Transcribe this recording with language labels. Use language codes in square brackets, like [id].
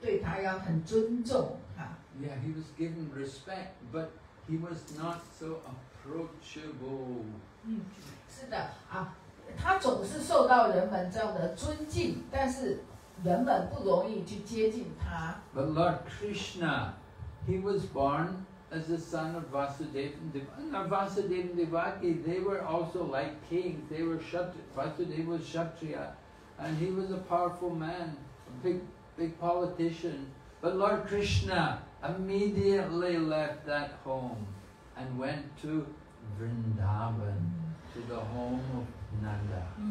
[zh] 那Ram即便他还是在孩提的时候，因为他是哥哥长兄，啊，又是王子，所以从小大家都对他要很尊重。 [en] Yeah, he was given respect, but he was not so approachable. [zh] 是的，他总是受到人们这样的尊敬，但是人们不容易去接近他。 [en] But Lord Krishna, he was born as the son of Vasudeva and Devaki. Now Vasudeva and Devaki, they were also like kings. They were Vasudeva was Kshatriya, and he was a powerful man, a big politician. But Lord Krishna immediately left that home and went to Vrindavan, to the home of Nanda.